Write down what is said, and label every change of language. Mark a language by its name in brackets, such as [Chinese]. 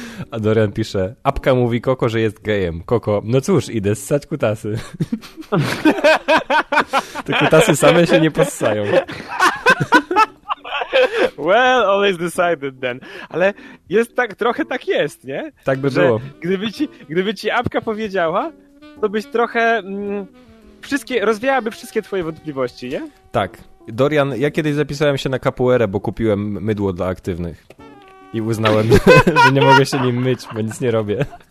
[Polish] A Dorian pisze, apka mówi Koko, że jest gejem. Koko, no cóż, idę ssać kutasy. Te kutasy same się nie poscają. [English] Well, all is decided then. [Polish] Ale jest tak, trochę tak jest, nie? Tak by było. Gdyby ci apka powiedziała, to byś trochę rozwiałaby wszystkie twoje wątpliwości, nie? Tak. Dorian, ja kiedyś zapisałem się na capoeirę, bo kupiłem mydło dla aktywnych. I uznałem, że nie mogę się nim myć, bo nic nie robię.